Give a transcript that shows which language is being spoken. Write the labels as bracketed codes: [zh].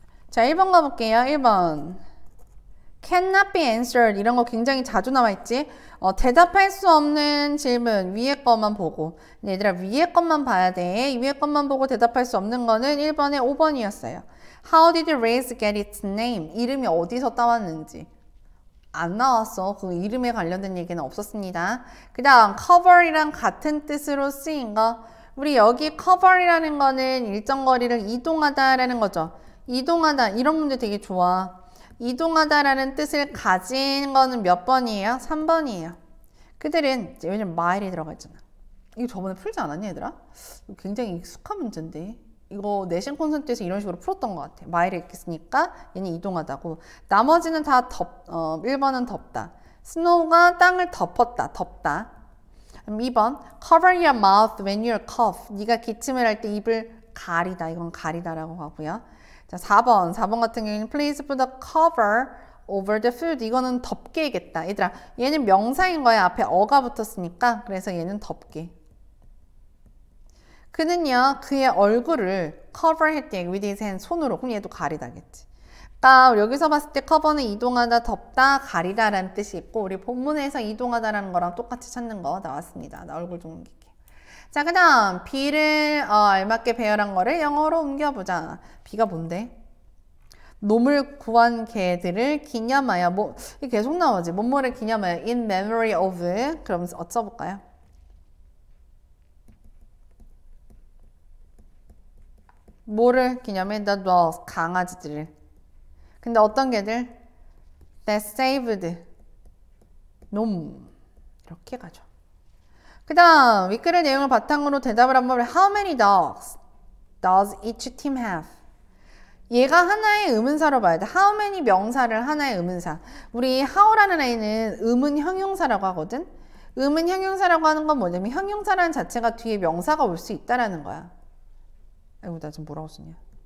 [ko] 자, 1번 가볼게요. 1번. [en] Cannot be answered. [ko] 이런 거 굉장히 자주 나와 있지? 대답할 수 없는 질문. 위에 것만 보고. 얘들아, 위에 것만 봐야 돼. 위에 것만 보고 대답할 수 없는 거는 1번에 5번이었어요. [en] How did the race get its name? [ko] 이름이 어디서 따왔는지. 안 나왔어. 그 이름에 관련된 얘기는 없었습니다. 그 다음, cover이랑 같은 뜻으로 쓰인 거. 우리 여기 cover이라는 거는 일정 거리를 이동하다라는 거죠. 이동하다. 이런 문제 되게 좋아. 이동하다라는 뜻을 가진 거는 몇 번이에요? 3번이에요. 그들은, 이제 왜냐면 마일이 들어가 있잖아. 이거 저번에 풀지 않았냐, 얘들아? 굉장히 익숙한 문제인데. 이거 내신 콘서트에서 이런 식으로 풀었던 것 같아. 마일이 있으니까 얘는 이동하다고. 나머지는 다 1번은 덥다. 스노우가 땅을 덮었다. 덥다. 그럼 2번. [en] Cover your mouth when you cough. [ko] 네가 기침을 할때 입을 가리다. 이건 가리다라고 하고요. 자, 4번. 4번 같은 경우에는 [en] please put a cover over the food. [ko] 이거는 덮개겠다. 얘들아, 얘는 명사인 거야. 앞에 어가 붙었으니까. 그래서 얘는 덮개. 그는요, 그의 얼굴을 cover 했대. [en] with his hand [ko] 손으로. 그럼 얘도 가리다겠지. 그러니까 여기서 봤을 때 cover는 이동하다, 덮다, 가리다라는 뜻이 있고, 우리 본문에서 이동하다라는 거랑 똑같이 찾는 거 나왔습니다. 나 얼굴 좀 옮길게. 자, 그 다음, B를, 알맞게 배열한 거를 영어로 옮겨보자. B가 뭔데? 놈을 구한 개들을 기념하여, 뭐, 이게 계속 나오지. 뭐뭐를 기념하여, [en] in memory of. [ko] 그럼 어쩌볼까요? 뭐를 기념해? [en] The dogs, [ko] 강아지들을. 근데 어떤 개들? [en] That saved. [ko] 놈. 이렇게 가죠. 그 다음, 윗글의 내용을 바탕으로 대답을 한번 해. [en] How many dogs does each team have? [ko] 얘가 하나의 의문사로 봐야 돼. How many 명사를 하나의 의문사. 우리 how라는 애는 의문 형용사라고 하거든? 의문 형용사라고 하는 건 뭐냐면 형용사라는 자체가 뒤에 명사가 올수 있다라는 거야. 아이고, 나 지금 뭐라고 쓰냐.